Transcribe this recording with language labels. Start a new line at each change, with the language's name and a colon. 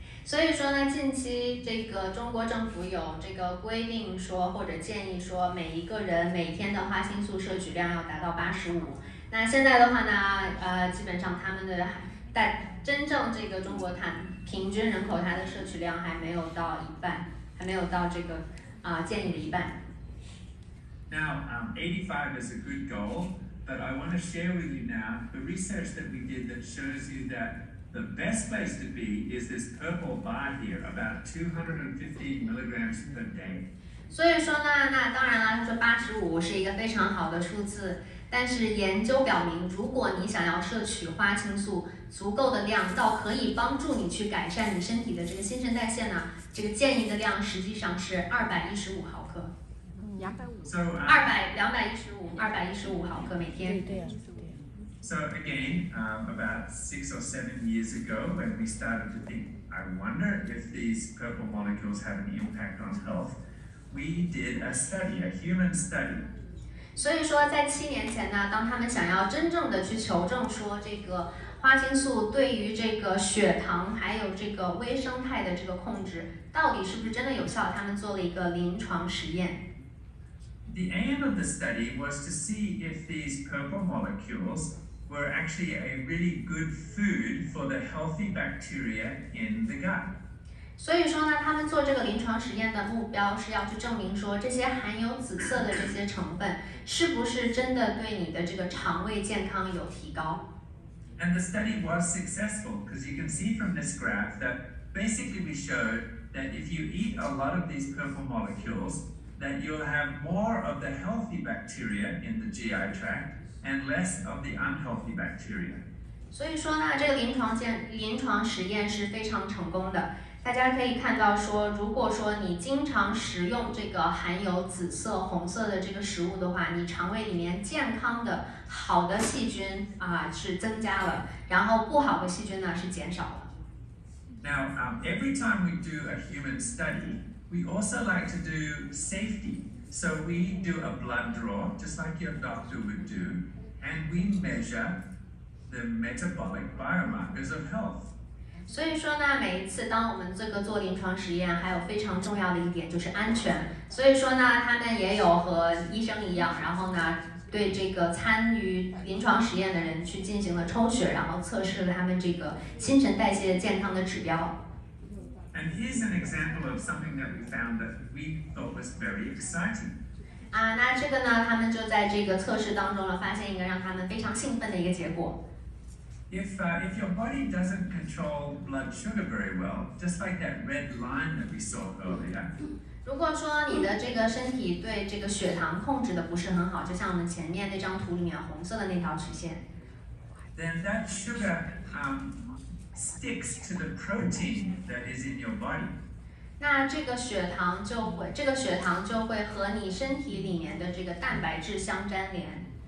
Chinese: 所以说呢，近期这个中国政府有这个规定说，或者建议说，每一个人每天的花青素摄取量要达到85。那现在的话呢，基本上他们的但真正这个中国它平均人口它的摄取量还没有到一半，还没有到这个建议的一半。
English: Now, 85 is a good goal, but I want to share with you now the research that we did that shows you that the best place to be is this purple bar here, about 215 milligrams per day.
Chinese: 所以说呢，那当然了，就85是一个非常好的数字。但是研究表明，如果你想要摄取花青素足够的量，到可以帮助你去改善你身体的这个新陈代谢呢，这个建议的量实际上是215毫克，215毫克每天。
English: So again, about 6 or 7 years ago, when we started to think, I wonder if these purple molecules have an impact on health, we did a study, a human study.
Chinese: 所以说在7年前呢，当他们想要真正的去求证说这个花青素对于这个血糖还有这个微生态的这个控制到底是不是真的有效，他们做了一个临床实验。
English: The aim of the study was to see if these purple molecules were actually a really good food for the healthy bacteria in the gut.
Chinese: 所以说呢，他们做这个临床实验的目标是要去证明说，这些含有紫色的这些成分是不是真的对你的这个肠胃健康有提高。
English: And the study was successful because you can see from this graph that basically we showed that if you eat a lot of these purple molecules, that you'll have more of the healthy bacteria in the GI tract and less of the unhealthy bacteria.
Chinese: 所以说呢，这个临床实验是非常成功的。大家可以看到说，如果说你经常食用这个含有紫色、红色的这个食物的话，你肠胃里面健康的好的细菌是增加了，然后不好的细菌呢是减少了。
English: Now, every time we do a human study, we also like to do safety. So we do a blood draw, just like your doctor would do, and we measure the metabolic biomarkers of health.
Chinese: 所以说呢，每一次当我们这个做临床实验，还有非常重要的一点就是安全。所以说呢，他们也有和医生一样，然后呢，对这个参与临床实验的人去进行了抽血，然后测试了他们这个新陈代谢健康的指标。
English: And here's an example of something that we found that we thought was very exciting.
Chinese: 那这个呢，他们就在这个测试当中了，发现一个让他们非常兴奋的一个结果。
English: If your body doesn't control blood sugar very well, just like that red line that we saw earlier.
Chinese: 如果说你的这个身体对这个血糖控制的不是很好，就像我们前面那张图里面红色的那条曲线。
English: Then that sugar sticks to the protein that is in your body.
Chinese: 那这个血糖就会和你身体里面的这个蛋白质相粘连。